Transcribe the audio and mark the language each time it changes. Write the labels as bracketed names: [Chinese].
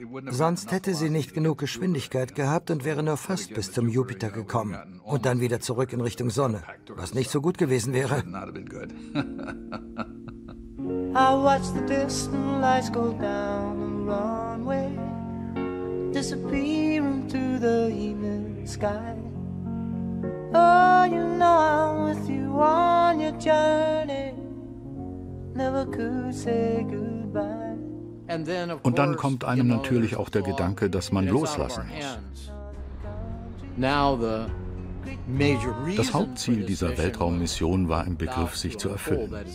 [German] Sonst hätte sie nicht genug Geschwindigkeit gehabt und wäre nur fast bis zum Jupiter gekommen und dann wieder zurück in Richtung Sonne, was nicht so gut gewesen wäre. [English] I watch the distant lights go down the runway. Disappearing through the evening sky. Oh, you know I'm with you on your journey. Never could say goodbye. [German] Und dann kommt einem natürlich auch der Gedanke, dass man loslassen muss. Das Hauptziel dieser Weltraummission war im Begriff, sich zu erfüllen.